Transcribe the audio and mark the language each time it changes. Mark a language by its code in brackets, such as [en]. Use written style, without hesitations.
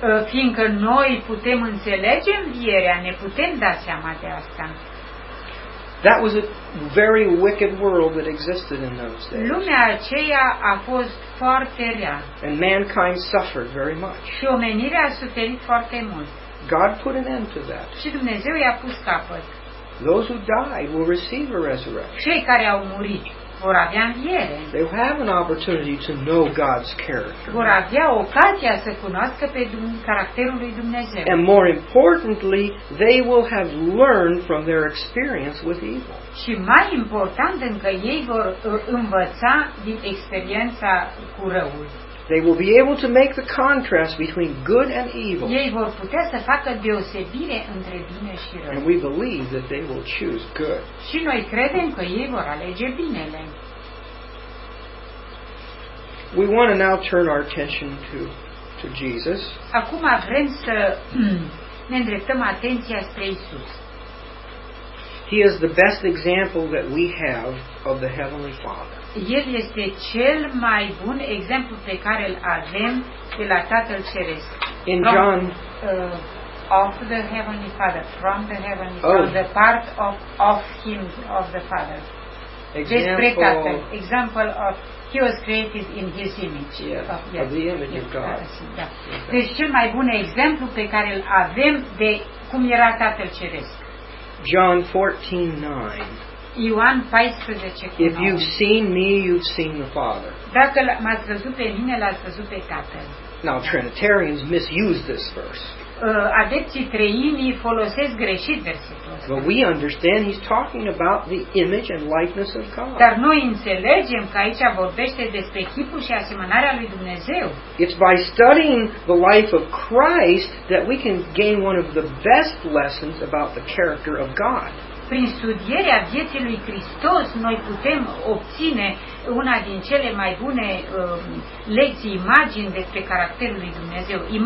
[ro] Fiindcă noi putem înțelege învierea, ne putem da seama de asta. [en] That was a very wicked world that existed in those days. [ro] Lumea aceea a fost foarte rea. [en] And mankind suffered very much. [ro] Și omenirea a suferit foarte mult. [en] God put an end to that. [ro] Și Dumnezeu i-a pus capăt. [en] Those who died will receive a resurrection. [ro] Cei care au murit vor avea înviere. [en] They will have an opportunity to know God's character. [ro] Vor avea ocazia să cunoască pe caracterul lui Dumnezeu. [en] And more importantly, they will have learned from their experience with evil. [ro] Și mai important încă, ei vor învăța din experiența cu răul. [en] They will be able to make the contrast between good and evil. [ro] Ei vor putea să facă deosebire între bine și rău. [en] And we believe that they will choose good. [ro] Și noi credem că ei vor alege binele. [en] we want to now turn our attention to Jesus. [ro] Acum vrem să ne îndreptăm atenția spre Isus. [en] He is the best example that we have of the Heavenly Father. [ro] El este cel mai bun exemplu pe care îl avem de la Tatăl Ceresc. [en] In John, of the Heavenly Father, from the Heavenly Father, the part of Him, of the Father. Example. Example of He was created in His image. Yes, of the image of God. [ro] Deci cel mai bun exemplu pe care îl avem de cum era Tatăl Ceresc. [en] John 14:9. [ro] Ioan 14. [en] If you've seen me, you've seen the Father. [ro] Dacă m-ați văzut pe mine, l-ați văzut pe Tatăl. [en] Now Trinitarians misuse this verse. [ro] Adepții treimii folosesc greșit versetul. [en] But we understand he's talking about the image and likeness of God. [ro] Dar noi înțelegem că aici vorbește despre chipul și asemănarea lui Dumnezeu. [en] It's by studying the life of Christ that we can gain one of the best lessons about the character of God. [ro] Prin studierea vieții lui Hristos noi putem obține una din cele mai bune lecții, imagini despre caracterul lui Dumnezeu,